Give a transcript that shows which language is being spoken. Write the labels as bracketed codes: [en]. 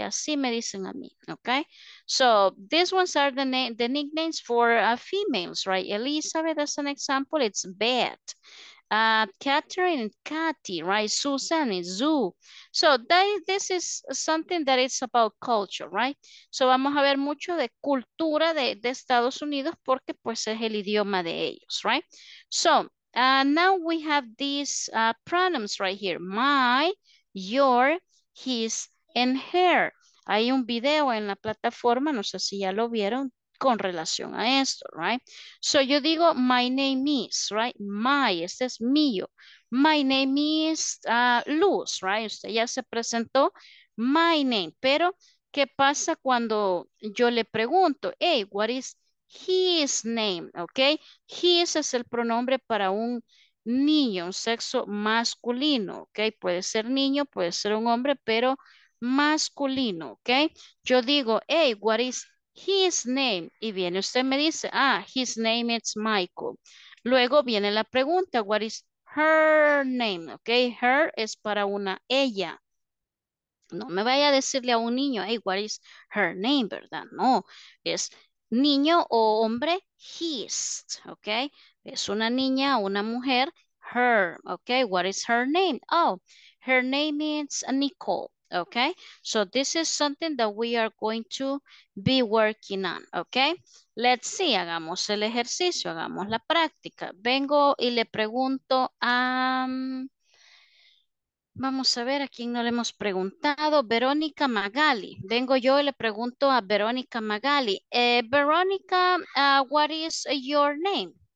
[es] Así me dicen a mí, okay? [en] So, these ones are the nicknames for females, right? Elizabeth as an example, it's Beth. Catherine, Kathy, right? Susan is Zoo. So, this is something that is about culture, right? [es] So, vamos a ver mucho de cultura de Estados Unidos porque pues es el idioma de ellos, right? [en] So, now we have these pronouns right here. My, your, his and her. [es] Hay un video en la plataforma, no sé si ya lo vieron, con relación a esto, right? [en] So [es] yo digo, [en] my name is, right? My, [es] este es mío. [en] My name is Luz, right? [es] Usted ya se presentó, [en] my name. [es] Pero, ¿qué pasa cuando yo le pregunto, [en] hey, what is his name, ¿ok? [es] His es el pronombre para un niño, un sexo masculino, ¿ok? Puede ser niño, puede ser un hombre, pero masculino, ¿ok? Yo digo, [en] hey, what is his name? [es] Y viene usted me dice, ah, [en] his name is Michael. [es] Luego viene la pregunta, [en] what is her name, ¿ok? [es] Her es para una ella. No me vaya a decirle a un niño, [en] hey, what is her name, [es] ¿verdad? No, es niño o hombre, his, ¿ok? Es una niña o una mujer, her, ¿ok? [en] What is her name? Oh, her name is Nicole, ¿ok? So this is something that we are going to be working on, ¿ok? Let's see, [es] hagamos el ejercicio, hagamos la práctica. Vengo y le pregunto a... Vamos a ver a quién no le hemos preguntado. Verónica Magali. Vengo yo y le pregunto a Verónica Magali. [en] Verónica, what is your name?